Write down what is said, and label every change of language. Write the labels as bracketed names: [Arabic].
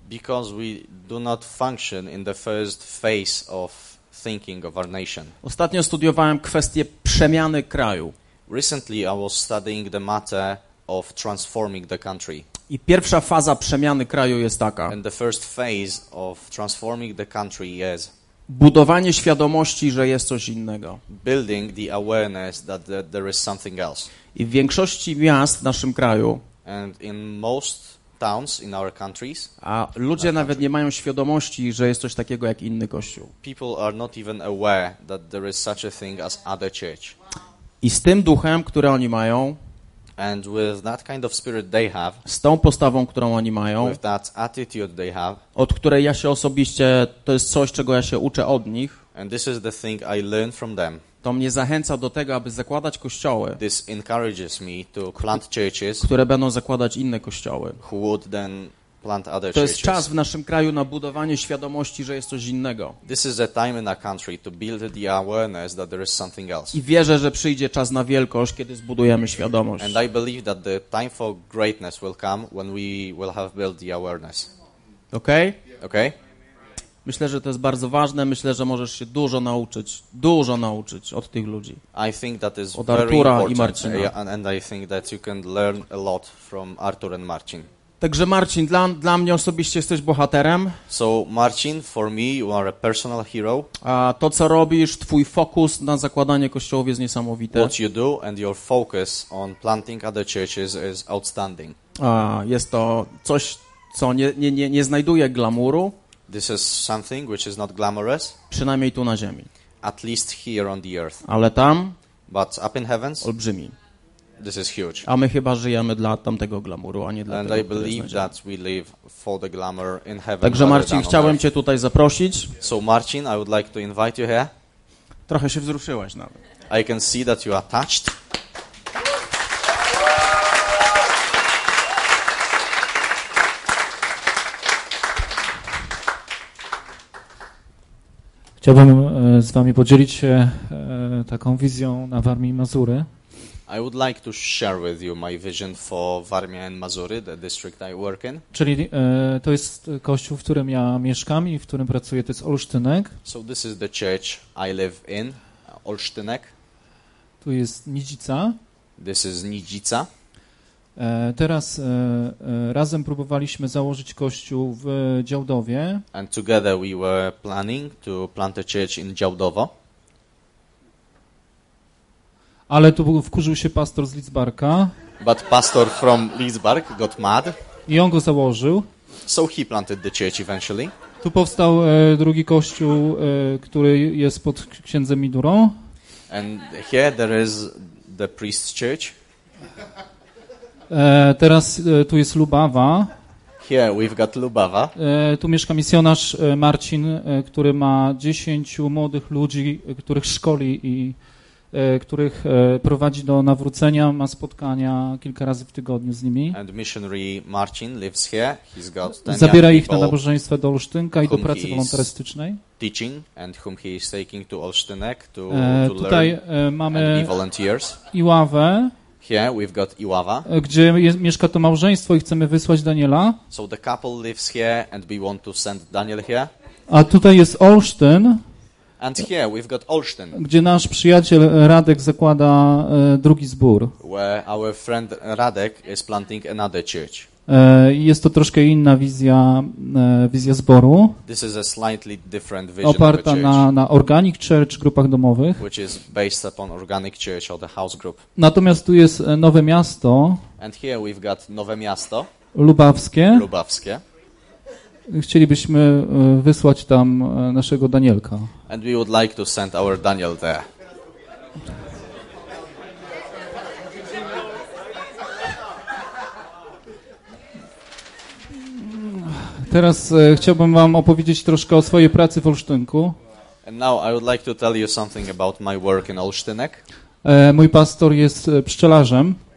[English] Because we do not function in the first phase of thinking of our nation. [Polish] Ostatnio studiowałem kwestię przemiany kraju. [English] Recently I was studying the matter of transforming the country. [Polish] I pierwsza faza przemiany kraju jest taka. [English] And the first phase of transforming the country is [Polish] budowanie świadomości, że jest coś innego. [English] Building the awareness that there is something else. [Polish] I w większości miast w naszym kraju [English] and in most towns in our countries, [Polish] a ludzie nawet nie mają świadomości, że jest coś takiego jak inny kościół. [English] People are not even aware that there is such a thing as other church. [Polish] I z tym duchem, który oni mają, [English] and with that kind of spirit they have, [Polish] z tą postawą, którą oni mają, [English] with that attitude they have, [Polish] od której ja się osobiście, to jest coś, czego ja się uczę od nich, [English] and this is the thing I learn from them. [Polish] To mnie zachęca do tego, aby zakładać kościoły, [English] this encourages me to plant churches, [Polish] które będą zakładać inne kościoły. [English] Who would then plant other churches. [Polish] To jest czas w naszym kraju na budowanie świadomości, że jest coś innego. [English] This is a time in our country to build the awareness that there is something else. [Polish] I wierzę, że przyjdzie czas na wielkość, kiedy zbudujemy świadomość. [English] And I believe that the time for greatness will come when we will have built the awareness. Okay? Okay? [Polish] Myślę, że to jest bardzo ważne. Myślę, że możesz się dużo nauczyć od tych ludzi. [English] I think that is [Polish] od Artura i Marcina. [English] And I think that you can learn a lot from Artur and Marcin. [Polish] Także Marcin, dla mnie osobiście jesteś bohaterem. [English] So Marcin, for me you are a personal hero. [Polish] A to co robisz, twój fokus na zakładanie kościołów jest niesamowite. [English] What you do and your focus on planting other churches is outstanding. [Polish] A jest to coś, co nie znajduje glamuru. [English] This is something which is not glamorous. [Polish] Przynajmniej tu na ziemi. [English] At least here on the earth. [Polish] Ale tam. [English] But up in heavens. [Polish] Olbrzymi. [English] This is huge. [Polish] A my chyba żyjemy dla tamtego glamuru, a nie dla [English] and [Polish] tego, [English] I believe that we live for the glamour in heaven. [Polish] Także Marcin, chciałem cię tutaj zaprosić. [English] So Marcin, I would like to invite you here. [Polish] Trochę się wzruszyłeś nawet. [English] I can see that you are touched. [Polish] Chciałbym z wami podzielić się taką wizją na Warmii i Mazury. [English] I would like to share with you my vision for Warmia and Mazury, the district I work in. [Polish] Czyli to jest kościół, w którym ja mieszkam i w którym pracuję, to jest Olsztynek. [English] So this is the church I live in, Olsztynek. [Polish] Tu jest Nidzica. [English] This is Nidzica. [Polish] Teraz razem próbowaliśmy założyć kościół w Działdowie. [English] And together we were planning to plant a church in Działdowo. [Polish] Ale tu wkurzył się pastor z Lidzbarka. [English] But pastor from Lidzbark got mad. [Polish] I on go założył. [English] So he planted the church eventually. [Polish] Tu powstał drugi kościół, który jest pod księdzem Midurą. [English] And here there is the priest's church. [Polish] Teraz tu jest Lubawa. [English] Here we've got Lubawa. [Polish] Tu mieszka misjonarz Marcin, który ma 10 młodych ludzi, których szkoli i których prowadzi do nawrócenia, ma spotkania kilka razy w tygodniu z nimi. [English] And missionary Marcin lives here. He's got [Polish] zabiera ich na nabożeństwa do Olsztynka i do pracy wolontarystycznej. [English] Teaching and whom he is taking to Olsztynek to [Polish] tutaj [English] learn [Polish] mamy Iławę. [English] Here we've got Iława. [Polish] Gdzie mieszka to małżeństwo i chcemy wysłać Daniela. [English] So the couple lives here and we want to send Daniel here. [Polish] A tutaj jest Olsztyn. [English] And here we've got Olsztyn. [Polish] Gdzie nasz przyjaciel Radek zakłada drugi zbór. [English] Where our friend Radek is planting another church. [Polish] Jest to troszkę inna wizja, wizja zboru. [English] This is a slightly different vision. [Polish] Oparta na organic church, grupach domowych. [English] Which is based upon organic church or the house group. [Polish] Natomiast tu jest nowe miasto. [English] And here we've got nowe miasto. [Polish] Lubawskie. Lubawskie. Chcielibyśmy wysłać tam naszego Danielka. [English] And we would like to send our Daniel there. [Polish] Teraz chciałbym wam opowiedzieć troszkę o swojej pracy w Olsztynku. [English] And now I would like to tell you something about my work in Olsztynek. [Polish] Mój pastor jest pszczelarzem.